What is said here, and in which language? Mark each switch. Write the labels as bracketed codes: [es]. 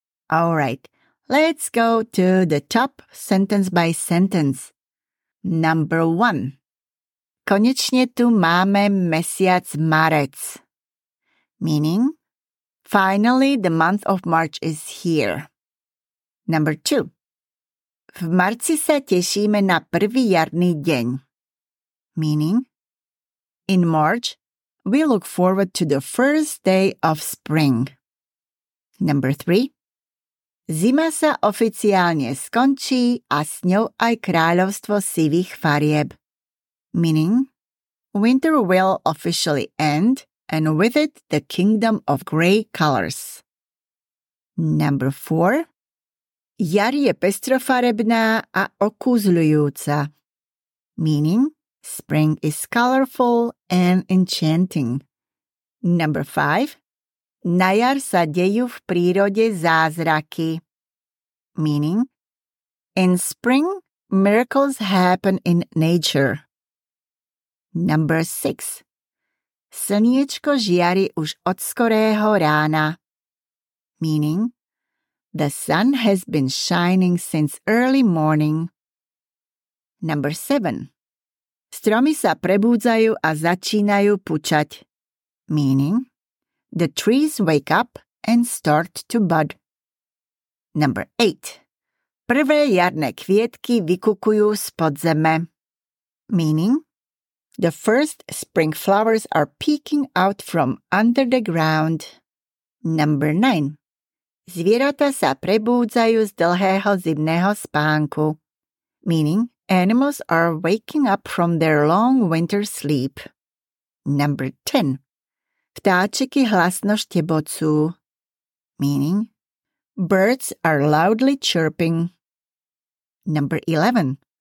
[en] Alright, let's go to the top sentence by sentence. Number one. [sk] Konečne tu máme mesiac marec. [en] Meaning, finally the month of March is here. Number two. [sk] V marci sa tešíme na prvý jarný deň. [en] Meaning, in March, we look forward to the first day of spring. Number three. [sk] Zima sa oficiálne skončí a s ňou aj kráľovstvo sivých farieb. [en] Meaning, winter will officially end and with it the kingdom of gray colors. Number four. [sk] Jar je pestrofarebná a okúzľujúca. [en] Meaning, spring is colorful and enchanting. Number five. [sk] Na jar sa dejú v prírode zázraky. [en] Meaning, in spring, miracles happen in nature. Number six. [sk] Slniečko žiari už od skorého rána. [en] Meaning, the sun has been shining since early morning. Number seven. [sk] Stromy sa prebúdzajú a začínajú pučať. [en] Meaning, the trees wake up and start to bud. Number eight. [sk] Prvé jarné kvietky vykukujú spod zeme. [en] Meaning, the first spring flowers are peeking out from under the ground. Number nine. [sk] Zvieratá sa prebúdzajú z dlhého zimného spánku. [en] Meaning, animals are waking up from their long winter sleep. Number ten. [sk] Vtáčiky hlasno štebocú. [en] Meaning, birds are loudly chirping. Number 11.